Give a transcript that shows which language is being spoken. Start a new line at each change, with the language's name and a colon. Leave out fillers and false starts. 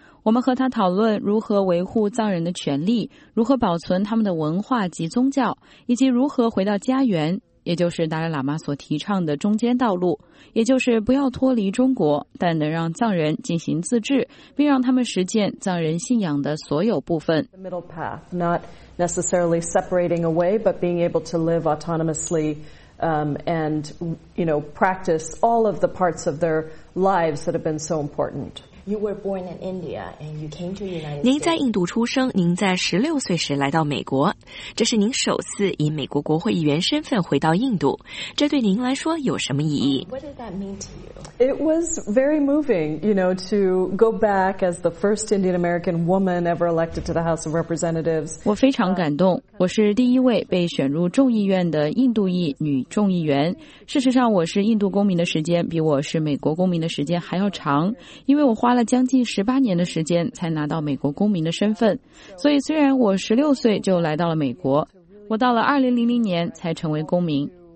Chinese: 我们和他讨论如何维护藏人的权利，如何保存他们的文化及宗教，以及如何回到家园。也就是达赖喇嘛所提倡的中间道路，也就是不要脱离中国，但能让藏人进行自治，并让他们实践藏人信仰的所有部分。
English: The middle path, not necessarily separating away, but being able to live autonomously, and you know, practice all of the parts of their lives that have been so important. You were born in India and you came to United States.
Chinese: 您在印度出生，您在16岁时来到美国，这是您首次以美国国会议员身份回到印度，这对您来说有什么意义？
English: What did that mean to you? It was very moving, you know, to go back as the first Indian American woman ever elected to the House of Representatives.
Chinese: 我非常感动，我是第一位被选入众议院的印度裔女众议员。事实上，我是印度公民的时间比我是美国公民的时间还要长，因为我花了将近18年的时间才拿到美国公民的身份，所以虽然我16岁就来到了美国，我到了2000年才成为公民。